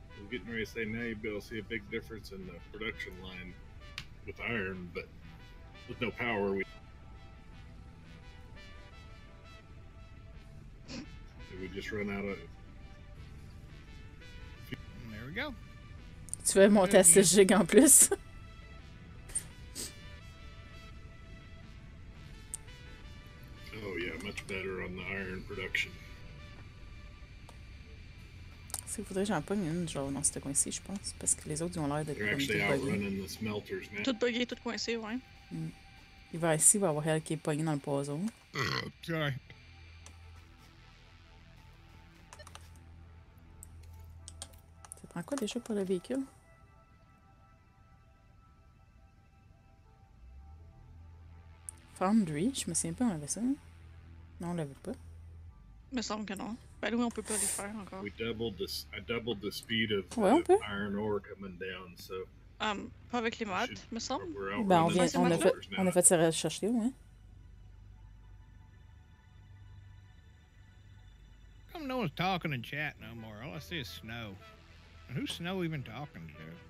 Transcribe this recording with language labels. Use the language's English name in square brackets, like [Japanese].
[English] Getting ready to say now you'll be able to see a big difference in the production line with iron, but with no power, we just run out of. There we go. [French] Tu veux monter à 6 gigs en plus? [English] Oh yeah, much better on the iron production. [French] Il faudrait que j'en pogne une genre dans ce coin-ci, je pense, parce que les autres ont l'air d'être comme tout buggé. Tout buggé, tout coincé, ouais. Mm. Il va ici, il va avoir elle qui est pognée dans le poison. [English] Okay. [French] Ça prend quoi déjà pour le véhicule? Foundry, je me souviens pas, on avait ça. Non, on l'avait pas. Me semble que non. Ben oui, on peut pas les faire encore. [English] We doubled the, I doubled the speed of [French] ouais, [English] the iron ore coming down, so... [French] pas avec les mods, me semble. Ben on vient, on a fait sa recherche, là, ouais. [English] Come no one's talking in chat no more. All I see is Snow. And who's Snow even talking to?